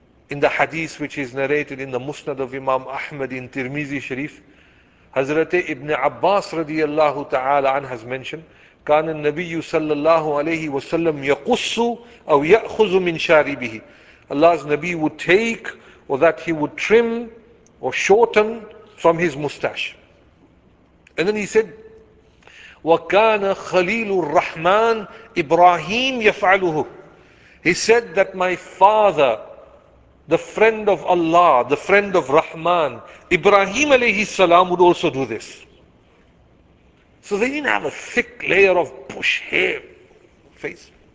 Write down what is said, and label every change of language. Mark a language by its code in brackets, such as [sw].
[en] In the hadith which is narrated in the Musnad of Imam Ahmad in Tirmizi Sharif, Hazrat Ibn Abbas radiyallahu ta'ala an has mentioned, [ar] كَانَ النَّبِيُّ صَلَّى اللَّهُ عَلَيْهِ وَسَلَّمْ يَقُصُّ أَوْ يَأْخُذُ مِنْ شَارِبِهِ. [en] Allah's Nabi would take, or that he would trim or shorten from his moustache. And then he said, [ar] وَكَانَ خَلِيلُ الرَّحْمَانِ إِبْرَاهِيمُ يَفْعَلُهُ. [en] He said that my father, the friend of Allah, the friend of Rahman, Ibrahim alayhi salam would also do this. So they didn't have a thick layer of bush hair face.